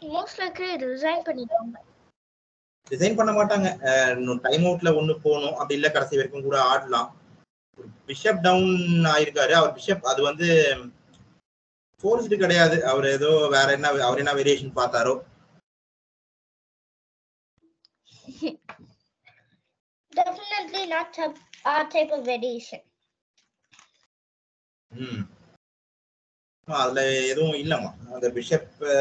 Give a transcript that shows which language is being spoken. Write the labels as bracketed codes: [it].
[ta] Most likely resign பண்ணிட்டாங்க. Resign பண்ண மாட்டாங்க. இன்னும் டைம் அவுட்ல ஒண்ணு போணும், அப்படி இல்ல கடைசி வரைக்கும் கூட ஆடலாம். பிஷப் டவுன் ஆயிருக்காரு அவர். பிஷப் அது வந்து ஃபோர்ஸ்டு கிடையாது. அவர் ஏதோ வேற என்ன, அவர் என்ன variation பார்த்தாரோ. [en] Definitely not our type of variation. [ta] அதுல எதுவும் இல்லமா. அந்த பிஷப்